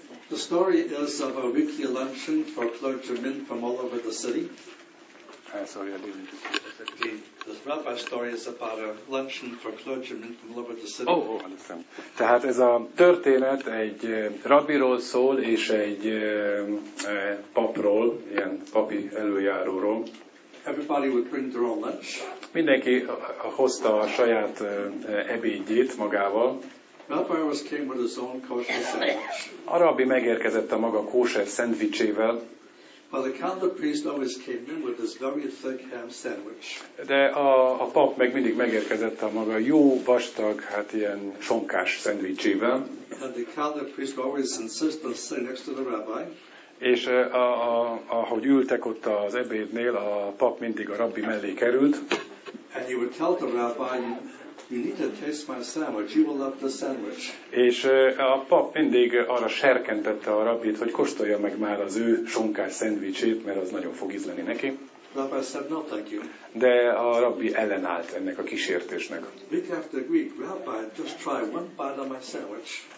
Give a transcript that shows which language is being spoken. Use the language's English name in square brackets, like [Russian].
[English] The story is of a weekly luncheon for clergymen from all over the city. Sorry, I didn't. The rabbi story is about a luncheon for clergymen from all over the city. Oh, understand. [Hungarian] Tehát ez a történet egy rabbiról szól és egy papról, ilyen papi előjáróról. [English] Everybody would bring their own lunch. [Hungarian] Mindenki hozta a saját ebédjét magával. [English] Rabbi always came with his own kosher sandwich. [Hungarian] A rabbi megérkezett a maga kosher szendvicsével. [English] But the counter priest always came in with his very thick ham sandwich. [Hungarian] De a pap meg mindig megérkezett a maga jó vastag, hát ilyen sonkás szendvicsével. [English] And the counter priest always insisted on sitting next to the rabbi. [Hungarian] És ahogy ültek ott az ebédnél, a pap mindig a rabbi mellé került. [English] And he would tell the rabbi, you need to taste my sandwich, you will love the sandwich. [Hungarian] És a pap mindig arra serkentette a rabbit, hogy kóstolja meg már az ő sonkás szendvicsét, mert az nagyon fog ízleni neki. [English] Rabbi said, no, thank you. [Hungarian] De a rabbi ellenállt ennek a kísértésnek. [English] Week after week, rabbi, just try one bite of my sandwich.